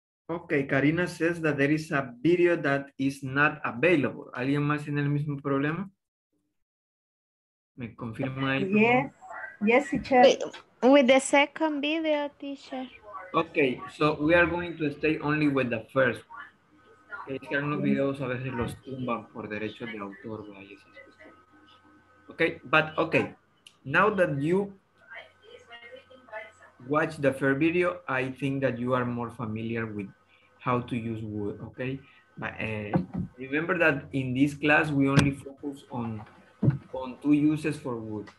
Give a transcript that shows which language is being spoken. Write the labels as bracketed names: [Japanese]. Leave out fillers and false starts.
[English] Okay, Karina says that there is a video that is not available. [Spanish] ¿Alguien más tiene el mismo problema? ¿Me confirma ahí? [English] Yes, yes, teacher. With the second video, teacher. Okay, so we are going to stay only with the first. [Spanish] Es que algunos videos a veces los tumban por derechos de autor. [English] Okay, but okay. Now that you watch the first video, I think that you are more familiar with how to use wood, okay? But remember that in this class, we only focus on two uses for wood.